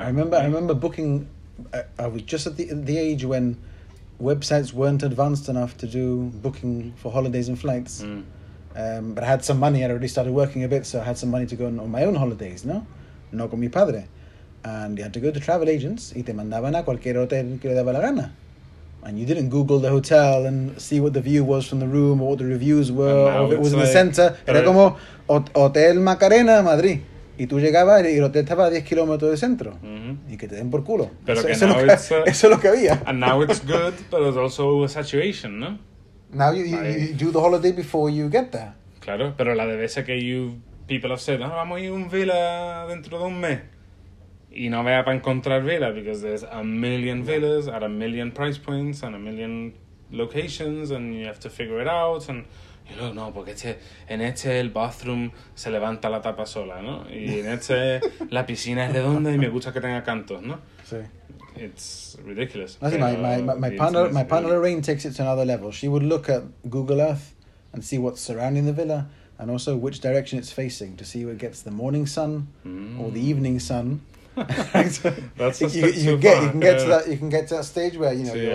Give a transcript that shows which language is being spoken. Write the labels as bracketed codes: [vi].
[en] I remember booking. I was just at the age when websites weren't advanced enough to do booking for holidays and flights. Mm. But I had some money. I'd already started working a bit, so I had some money to go on my own holidays. [es] No, no con mi padre. [en] And you had to go to travel agents. [es] Y te mandaban a cualquier hotel que le daba la gana. [en] And you didn't Google the hotel and see what the view was from the room or what the reviews were or if it was like, in the center. [es] Era como Hotel Macarena, Madrid. Y tú llegabas y el hotel estaba a 10 kilómetros del centro. Mm-hmm. Y que te den por culo. Pero eso es lo que había. [en] And now it's good, but it's also a saturation, ¿no? Now you do the holiday before you get there. [es] Claro, pero la de veces que [en] people have said, oh, [es] vamos a ir a un villa dentro de un mes. Y no vaya para encontrar villa, [en] because there's a million villas at a million price points and a million locations, and you have to figure it out, and... [es] Y luego, no, porque en este el bathroom se levanta la tapa sola, ¿no? Y en este la piscina es redonda y me gusta que tenga cantos, ¿no? Sí. [en] It's ridiculous. I think my partner Lorraine takes it to another level. She would look at Google Earth and see what's surrounding the villa and also which direction it's facing to see if it gets the morning sun or the evening sun. That's you can get to that stage where, you know,